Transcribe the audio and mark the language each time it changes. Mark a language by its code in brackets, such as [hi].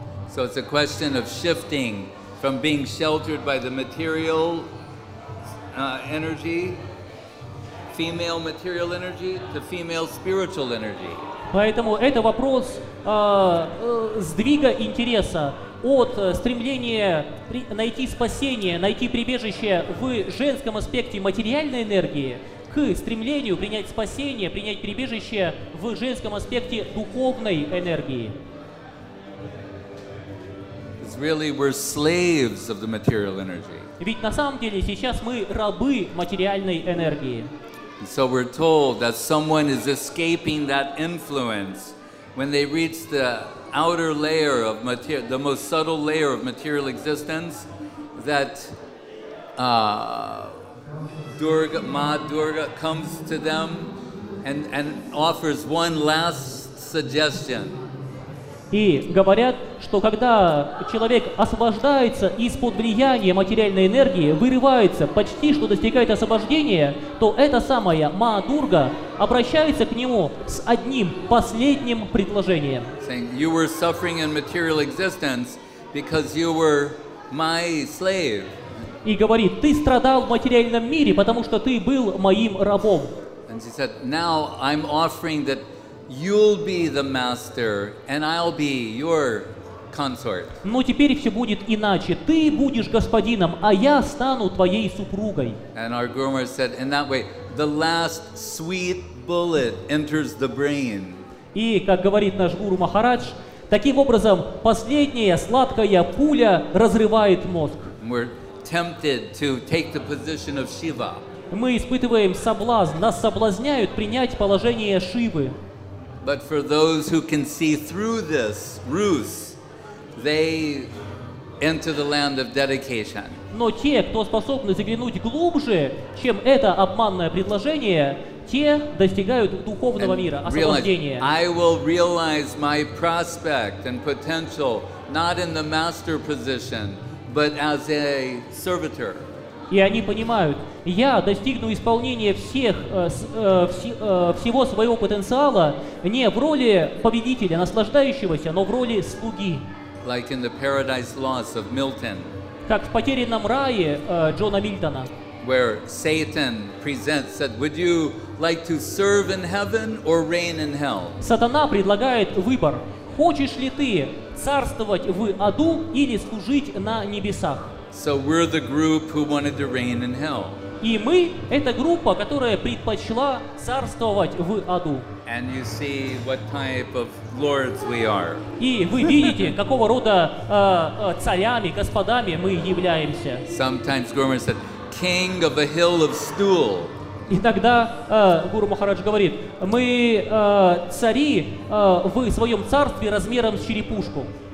[en] So it's a question of shifting from being sheltered by the material energy. Female material energy to female spiritual energy. [ru] Поэтому это вопрос сдвига интереса от стремления найти спасение, найти прибежище в женском аспекте материальной энергии к стремлению принять спасение, принять прибежище в женском аспекте духовной энергии. [en] really we're slaves of the material energy. [ru] Ведь на самом деле сейчас мы рабы материальной энергии. [en] So we're told that someone is escaping that influence when they reach the outer layer of material, the most subtle layer of material existence, that Durga, Ma Durga comes to them and offers one last suggestion. [ru] И говорят, что когда человек освобождается из-под влияния материальной энергии, вырывается, почти что достигает освобождения, то эта самая Ма Дурга обращается к нему с одним последним предложением. [en] Saying, you were suffering in material existence because you were my slave. [ru] И говорит, ты страдал в материальном мире, потому что ты был моим рабом. [en] And she said, now I'm offering that you'll be the master and I'll be your consort. [ru] Но теперь все будет иначе. Ты будешь господином, а я стану твоей супругой. [en] And our groomer said, in that way, the last sweet bullet enters the brain. [ru] И, как говорит наш гуру Махарадж, таким образом, последняя сладкая пуля разрывает мозг. [en] We're tempted to take the position of Shiva. [ru] Мы испытываем соблазн, нас соблазняют принять положение Шивы. [en] But for those who can see through this ruse, they enter the land of dedication. [ru] Но те, кто способны заглянуть глубже, чем это обманное предложение, те достигают духовного мира, освобождения. [en] I will realize my prospect and potential not in the master position, but as a servitor. [ru] И они понимают, я достигну исполнения всех, всего своего потенциала не в роли победителя, наслаждающегося, но в роли слуги. [en] Like in the Paradise Lost of Milton. [ru] Как в «Потерянном рае» Джона Мильтона. [en] Where Satan presents, said, would you like to serve in heaven or reign in hell? [ru] Сатана предлагает выбор. Хочешь ли ты царствовать в аду или служить на небесах? [en] So we're the group who wanted to reign in hell. [ru] И мы эта группа, которая предпочла царствовать в аду. [en] And you see what type of lords we are. [ru] И вы видите, какого рода царями, господами мы являемся. [en] Sometimes Gurmukh said, king of a hill of stool. [ru] Иногда Гуру Махарадж говорит, мы цари в своем царстве размером с черепушку.